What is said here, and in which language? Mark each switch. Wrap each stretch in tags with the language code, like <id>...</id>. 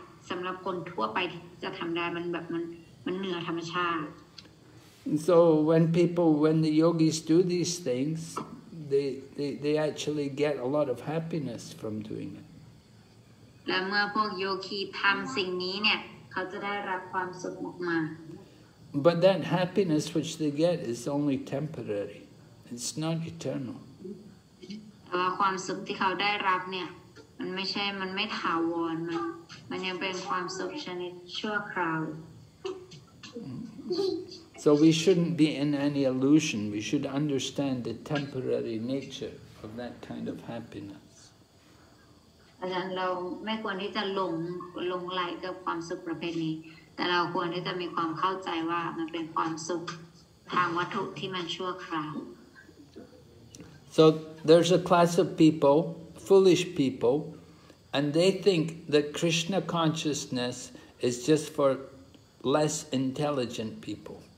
<th>สำหรับคนทั่วไปจะทำได้มันเหนือธรรมชาติ</th> <en>So when the yogis do these things, they actually get a lot of happiness from doing it.</en> <th>และเมื่อพวกโยคีทำสิ่งนี้เนี่ยเขาจะได้รับความสุขมาก</th> <en>But that happiness which they get is only temporary. It's not eternal.</en> <th>แต่ว่าความสุขที่เขาได้รับเนี่ยมันไม่ถาวรมันยังเป็นความสุขชนิดชั่วคราว</th> <en>So we shouldn't be in any illusion. We should understand the temporary nature of that kind of happiness.</en> <th>เราไม่ควรที่จะหลงไหลกับความสุขประเภทนี้แต่เราควรที่จะมีความเข้าใจว่ามันเป็นความสุขทางวัตถุที่มันชั่วคราว</th> <en>So there's a class of people. Foolish people, and they think that Krishna consciousness is just for less intelligent people.</en>